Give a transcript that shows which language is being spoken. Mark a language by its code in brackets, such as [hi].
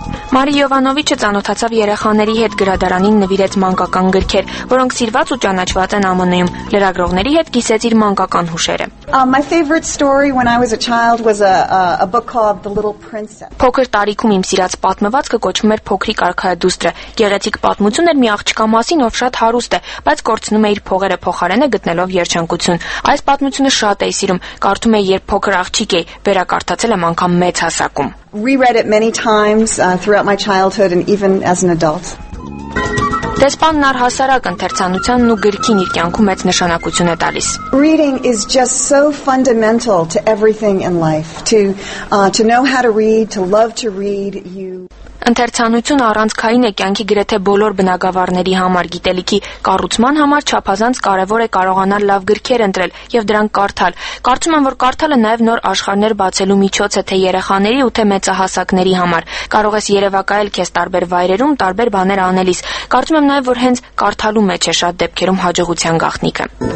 [hy] Մարի Յովանովիչը ծանոթացավ երեխաների հետ, գրադարանին նվիրեց մանկական գրքեր, որոնք սիրված ու ճանաչված են ԱՄՆ-ում։ Լրագրողների հետ կիսեց իր մանկական հուշերը։ [en] My favorite story when I was a child was a book called The Little Princess. [hy] Փոքր տարիքում իմ սիրած պատմվածքը կոչվում էր Փոքրիկ Արքայադուստրը։ Գեղեցիկ պատմություն էր մի աղջկա մասին, ով շատ հարուստ է, բայց կորցնում է իր փողերը փոխարենը գտնելով երջանկություն։ Այս պատմությունը շատ էի սիրում, կարդում էի, երբ փոքր աղջիկ էի, վերակարդացել եմ անգամ մեծ հասակում։ [en] Reread it many times throughout my childhood and even as an adult. [hy] Դեսպանն առհասարակ ընթերցանությանն ու գրքին իր կյանքում մեծ նշանակություն է տալիս։ [en] Reading is just so fundamental to everything in life. To know how to read, to love to read, you [hy] ընթերցանություն առանցքային է կյանքի գրեթե բոլոր բնագավառների համար, գիտելիքի կառուցման համար չափազանց կարևոր է կարողանալ լավ գրքեր ընտրել եւ դրանք կարդալ։ Կարծում եմ, որ կարդալը նաեւ նոր աշխարհներ բացելու միջոց է թե երեխաների ու թե մեծահասակների համար։ Կարող ես երևակայել քեզ տարբեր վայրերում, տարբեր բաներ անելիս։ Կարծում եմ նաեւ, որ հենց կարդալու մեջ է շատ դեպքերում հաջողության գաղտնիքը։